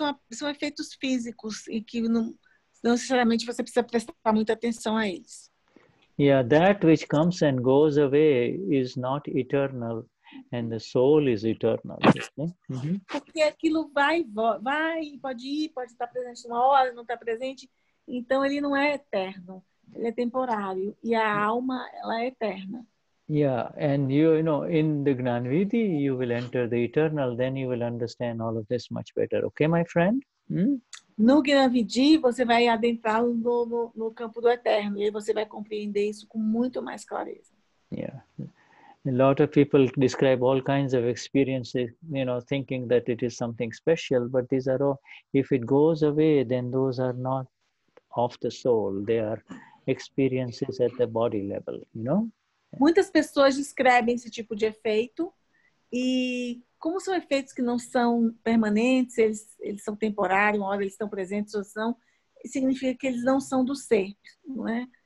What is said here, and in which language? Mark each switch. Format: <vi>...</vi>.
<pt>São efeitos físicos e que não necessariamente você precisa prestar muita atenção a eles.</pt> <en>Yeah, that which comes and goes away is not eternal, and the soul is eternal.</en> <pt>Porque aquilo vai, pode ir, pode estar presente uma hora, não está presente. Então ele não é eterno. Ele é temporário. E a alma, ela é eterna.</pt> <en>Yeah, and you know, in the Gnanvidhi, you will enter the eternal, then you will understand all of this much better. Okay, my friend?</en> <pt>No Gnanvidhi, você vai adentrar no campo do eterno. E você vai compreender isso com muito mais clareza.</pt> <en>Yeah. A lot of people describe all kinds of experiences, you know, thinking that it is something special. But these are all, if it goes away, then those are not of the soul, they are experiences at the body level, you know?</en> <pt>Muitas pessoas descrevem esse tipo de efeito e como são efeitos que não são permanentes, eles são temporários, uma hora eles estão presentes ou são, significa que eles não são do ser, não é?</pt>